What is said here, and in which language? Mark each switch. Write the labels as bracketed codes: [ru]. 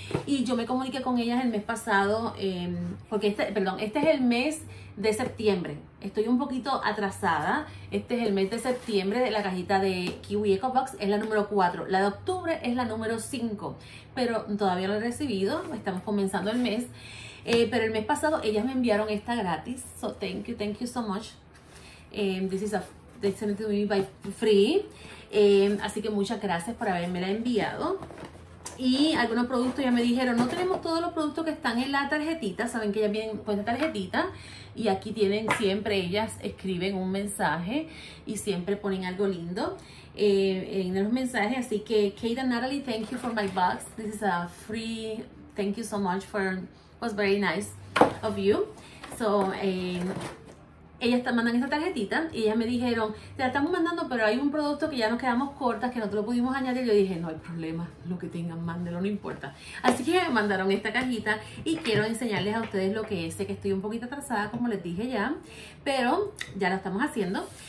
[es] Y yo me comuniqué con ellas el mes pasado, este es el mes de septiembre. Estoy un poquito atrasada, este es el mes de septiembre de la cajita de Kiwi Eco Box, es la número 4. La de octubre es la número 5, pero todavía no la he recibido, estamos comenzando el mes. Pero el mes pasado ellas me enviaron esta gratis, [en] so thank you so much. This is sent to me by free. [es] Así que muchas gracias por haberme la enviado. Y algunos productos ya me dijeron, no tenemos todos los productos que están en la tarjetita. Saben que ya vienen con esta tarjetita. Y aquí tienen siempre, ellas escriben un mensaje y siempre ponen algo lindo en los mensajes. Así que, [en] Kate and Natalie, thank you for my box. This is a free, thank you so much for, was very nice of you. [es] So, ellas te mandan esta tarjetita y ellas me dijeron, te la estamos mandando, pero hay un producto que ya nos quedamos cortas, que no te lo pudimos añadir. Yo dije, no hay problema, lo que tengan, mándelo, no importa. Así que me mandaron esta cajita y quiero enseñarles a ustedes lo que es. Sé que estoy un poquito atrasada, como les dije ya, pero ya lo estamos haciendo.